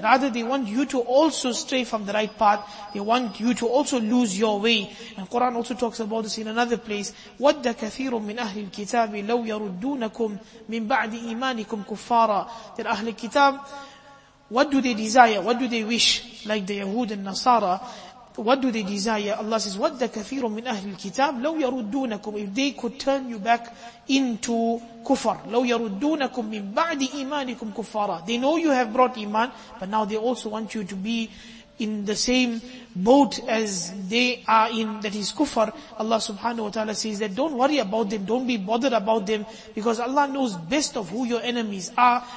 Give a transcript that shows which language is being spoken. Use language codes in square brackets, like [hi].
[en] Rather, they want you to also stray from the right path. They want you to also lose your way. And Quran also talks about this in another place. [ar] وَدَّ كَثِيرٌ مِّنْ أَهْلِ الْكِتَابِ لَوْ يَرُدُّونَكُمْ مِّنْ بَعْدِ إِيمَانِكُمْ كُفَّارًا. [en] That Ahl al-Kitab, what do they desire? What do they wish? Like the Yahud and Nasara, what do they desire? Allah says, [ar] وَدَّ كَثِيرٌ مِّنْ أَهْلِ الْكِتَابِ لَوْ يَرُدُّونَكُمْ. [en] If they could turn you back into kufar. [ar] لَوْ يَرُدُّونَكُمْ مِّنْ بَعْدِ إِيمَانِكُمْ كُفَّارًا. [en] They know you have brought iman, but now they also want you to be in the same boat as they are in, that is kufar. Allah subhanahu wa ta'ala says that don't worry about them, don't be bothered about them, because Allah knows best of who your enemies are.